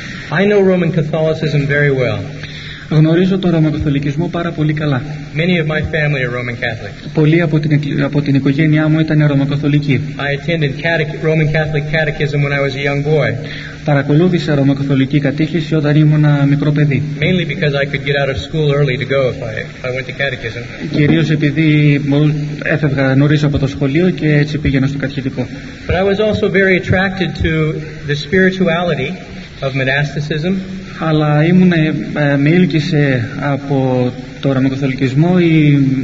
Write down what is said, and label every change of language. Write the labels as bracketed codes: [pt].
[en] I know Roman Catholicism very well. [el] Γνωρίζω τον Ρωμαιοκαθολικισμό πάρα πολύ καλά. [en] Many of my family are Roman Catholics. [el] Πολλοί από την οικογένειά μου ήταν Ρωμαιοκαθολικοί. [en] I attended Roman Catholic catechism when I was a young boy. [el] Παρακολούθησα Ρωμαιοκαθολική κατήχηση όταν ήμουν μικρό παιδί. [en] Mainly because I could get out of school early to go if I went to catechism. [el] Κυρίως επειδή έφευγα νωρίς από το σχολείο και έτσι πήγαινα στο κατηχητικό. [en] But I was also very attracted to the spirituality of monasticism. [el] Αλλά ήμουν με ήλκησε από το ρωμαιοκαθολικισμό ή